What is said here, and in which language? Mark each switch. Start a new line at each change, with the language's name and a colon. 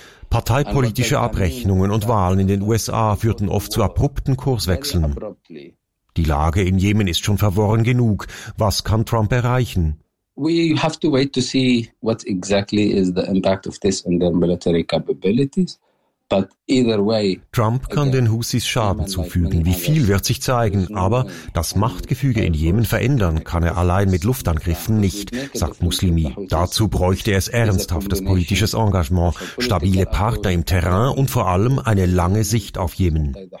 German: Parteipolitische Abrechnungen und Wahlen in den USA führten oft zu abrupten Kurswechseln. Die Lage in Jemen ist schon verworren genug. Was kann Trump erreichen?
English: We have to wait to see what exactly is the impact of this on their military capabilities. But either way,
German: Trump kann den Houthis Schaden zufügen. Wie viel wird sich zeigen, aber das Machtgefüge in Jemen verändern kann er allein mit Luftangriffen nicht, sagt Muslimi. Dazu bräuchte es ernsthaftes politisches Engagement, stabile Partner im Terrain und vor allem eine lange Sicht auf Jemen.